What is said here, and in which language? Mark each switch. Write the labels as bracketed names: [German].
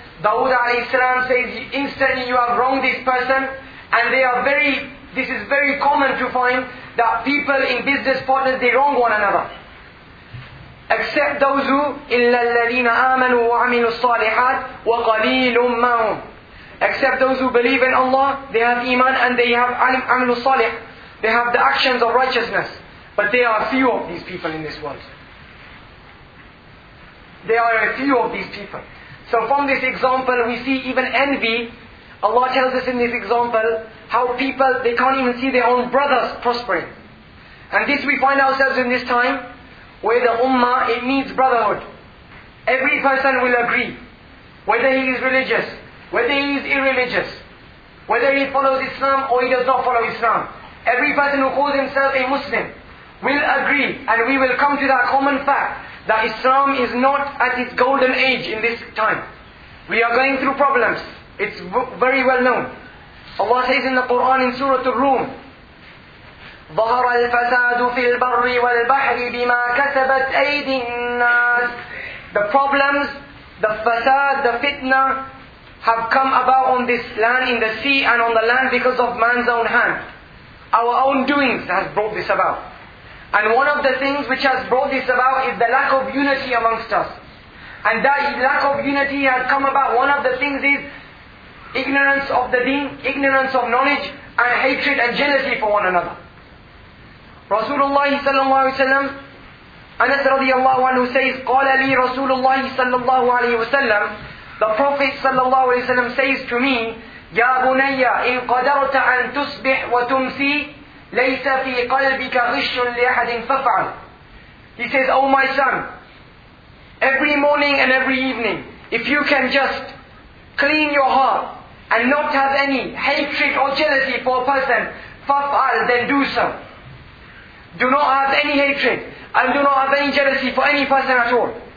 [English] Dawood alayhi salam says instantly you have wronged this person, and this is very common to find that people in business partners, they wrong one another. Except those who, [Arabic] إِلَّا الَّذِينَ آمَنُوا وَعَمِلُوا الصَّالِحَاتِ وَقَلِيلٌ مَا هُمْ. [English] Except those who believe in Allah, they have iman and they have amilu salih. They have the actions of righteousness. But there are few of these people in this world. There are a few of these people. So from this example, we see even envy. Allah tells us in this example how people, they can't even see their own brothers prospering. And this we find ourselves in this time, where the ummah, it needs brotherhood. Every person will agree, whether he is religious, whether he is irreligious, whether he follows Islam or he does not follow Islam. Every person who calls himself a Muslim will agree, and we will come to that common fact that Islam is not at its golden age in this time. We are going through problems. It's very well known. Allah says in the Quran in Surah Ar-Rum, [Arabic] ظهر الفساد في البر والبحر بما كسبت أيدي الناس. [English] The problems, the fasad, the fitna have come about on this land, in the sea and on the land because of man's own hand. Our own doings has brought this about. And one of the things which has brought this about is the lack of unity amongst us. And that lack of unity has come about, one of the things is ignorance of the deen, ignorance of knowledge, and hatred and jealousy for one another. Rasulullah sallallahu alayhi wa sallam, Anas radiallahu anhu says, [Arabic] قَالَ لِي رَسُولُ اللَّهِ صَلَّى اللَّهُ عَلَيْهِ وَسَلَّمْ. [English] The Prophet sallallahu alayhi wa sallam says to me, [Arabic] يَا بُنَيَّ إِن قَدَرْتَ أَن تُصْبِحْ وَتُمْسِي لَيْسَ فِي قَلْبِكَ غِشٌ لِأَحَدٍ فَفْعَلْ. [English] He says, oh my son, every morning and every evening, if you can just clean your heart and not have any hatred or jealousy for a person, [Arabic] فَفْعَلْ, [English] then do so. Do not have any hatred and do not have any jealousy for any person at all.